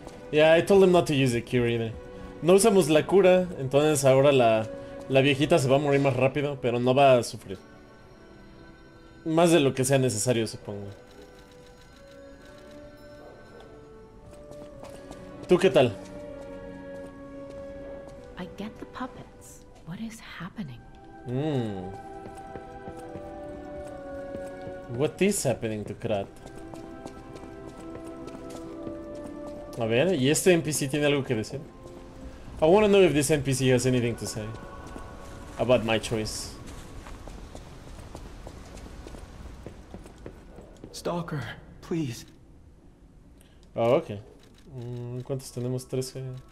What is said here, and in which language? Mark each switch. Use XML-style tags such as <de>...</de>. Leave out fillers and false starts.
<en>Yeah, I told him not to use the cure either.</en> <es>No usamos la cura, entonces ahora la viejita se va a morir más rápido, pero no va a sufrir. Más de lo que sea necesario, supongo. ¿Tú qué tal?</es> <en>I get the puppets. What is happening? What is happening to Krat?</en> <es>A ver, ¿y este NPC tiene algo que decir?</es> <en>I want to know if this NPC has anything to say about my choice. Stalker, please.</en> <es>Oh, okay. ¿Cuántos tenemos? 13.</es>